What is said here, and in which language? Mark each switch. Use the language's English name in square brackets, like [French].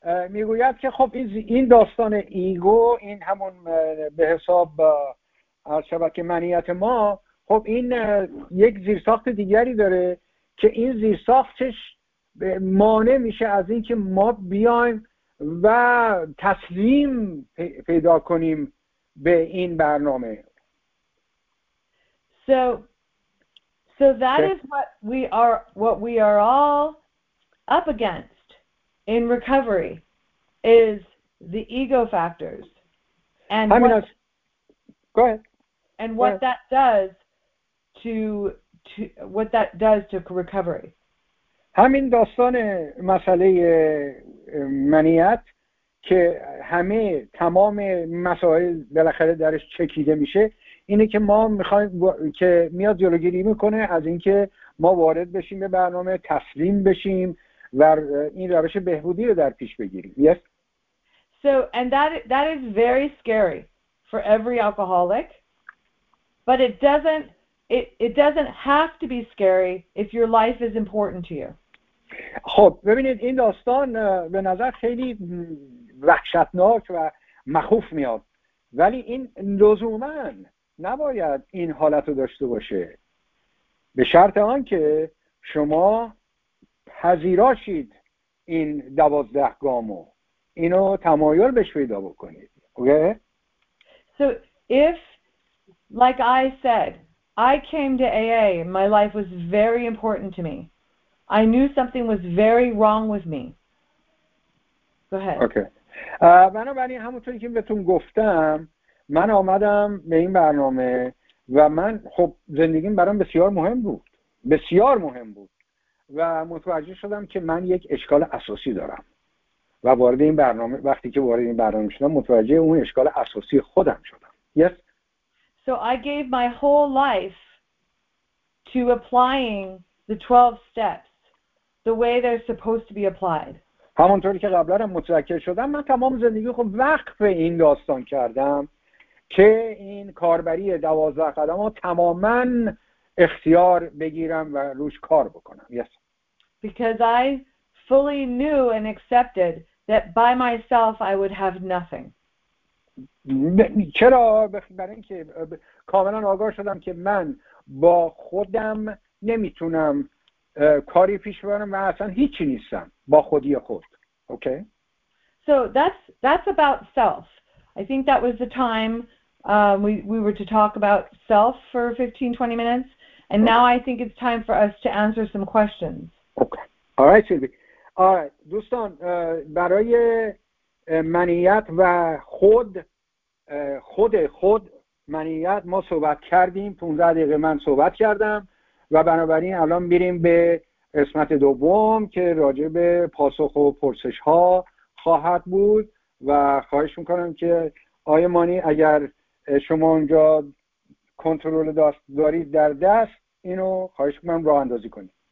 [Persian] میگوید که خب این داستان ایگو، این همون به حساب شبکه منیت ما، خب این یک زیرساخت دیگری داره که این زیرساختش مانع میشه از این که ما بیایم و تسلیم پیدا کنیم به این برنامه. [English] So that is what we are all up against in recovery is the ego factors. And I mean, go ahead. That does to recovery. [Persian] همین داستان مسئله منیت که همه تمام مسائل بالاخره درش چکیده میشه، اینه که ما میخوایم که میاد جلوگیری میکنه از اینکه ما وارد بشیم به برنامه، تسلیم بشیم و این روش بهبودی رو در پیش بگیریم. [English] Yes. So and that is very scary for every alcoholic, but it doesn't have to be scary if your life is important to you. [Persian] خب ببینید، این داستان به نظر خیلی وحشتناک و مخوف میاد، ولی این لزوماً نباید این حالت رو داشته باشه، به شرط آن که شما پذیراشید این 12 گامو، اینو تمایل بهش پیدا بکنید. [English] Okay? So if like I said, I came to AA, my life was very important to me. I knew something was very wrong with me. Go ahead. Okay. [Persian] بنابراین همونطوری که بهتون گفتم، من آمدم به این برنامه و من خب زندگیم برام بسیار مهم بود. بسیار مهم بود. و متوجه شدم که من یک اشکال اساسی دارم. و وارد این برنامه، وقتی که وارد این برنامه شدم، متوجه اون اشکال اساسی خودم شدم. [English] Yes. So I gave my whole life to applying the 12 steps the way they're supposed to be applied. [Persian] همونطوری که قبلا هم متذکر شدم، من تمام زندگی خودم وقف به این داستان کردم که این کاربری 12 قدم رو تماماً اختیار بگیرم و روش کار بکنم. [English] Yes. Because I fully knew and accepted that by myself I would have nothing. [Persian] چرا؟ برای اینکه کاملا آگاه شدم که من با خودم نمیتونم کاری پیش ببرم و اصلا هیچی نیستم با خودی خود. [English] Okay. So that's about self. I think that was the time we were to talk about self for 15-20 minutes. And now I think it's time for us to answer some questions. Okay. All right, Sylvie. All right. [Persian] دوستان، برای منیت و خود منیت ما صحبت کردیم. 15 دقیقه من صحبت کردم. و بنابراین الان میریم به قسمت دوم که راجع به پاسخ و پرسش ها خواهد بود و خواهش میکنم که آقای مانی، اگر شما اونجا کنترل دارید در دست، اینو خواهش میکنم راه اندازی کنید.